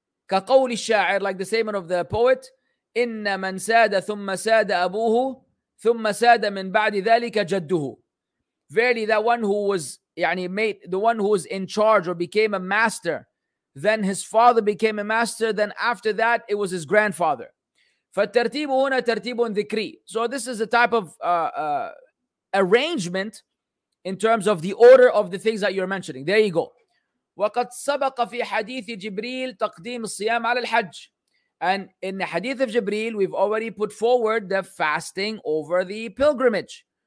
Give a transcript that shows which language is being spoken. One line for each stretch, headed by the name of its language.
Arabic: كقول الشاعر,
English: like the statement of the poet,
Arabic: إِنَّ مَنْ سَادَ ثُمَّ سَادَ أَبُوهُ ثُمَّ سَادَ مِنْ بَعْدِ ذَلِكَ جَدُّهُ.
English: Verily, that one who was in charge or became a master, then his father became a master, then after that, it was his grandfather.
Arabic: فالترتيب هنا ترتيب ذكري.
English: So this is a type of arrangement in terms of the order of the things that you're mentioning. There you go.
Arabic: وَقَدْ سَبَقَ فِي حَدِيثِ جِبْرِيلِ تَقْدِيمِ الصِّيَامِ عَلَى الْحَجِّ.
English: And in the hadith of Jibreel, we've already put forward the fasting over the pilgrimage.